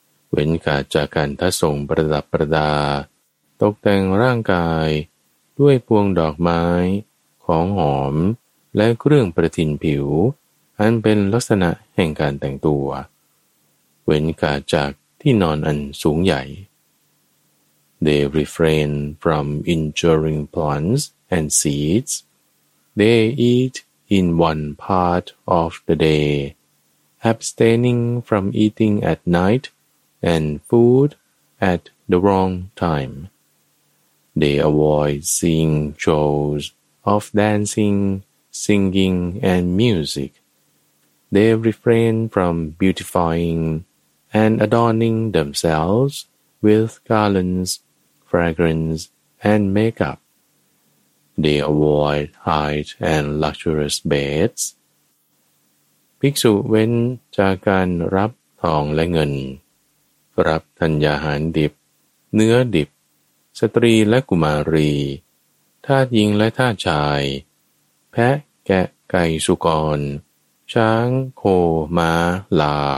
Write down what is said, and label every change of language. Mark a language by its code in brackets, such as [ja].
[th] เว้นขาดจากการทัศน์ประดับประดาตกแต่งร่างกายด้วยพวงดอกไม้ของหอมและเครื่องประทินผิวอันเป็นลักษณะแห่งการแต่งตัวเว้นขาดจากที่นอนอันสูงใหญ่ [en] They refrain from injuring plants and seeds. They eat in one part of the day, abstaining from eating at night and food at the wrong time. They avoid seeing shows of dancing, singing, and music. They refrain from beautifying and adorning themselves with garlands, fragrance, and makeup. They avoid height and luxurious beds. [th] ภิกษุเว้นจากการรับทองและเงินรับธัญญาหารดิบเนื้อดิบสตรีและกุมารีทาสหญิงและทาสชายแพะแกะไก่สุกรช้างโคม้าลา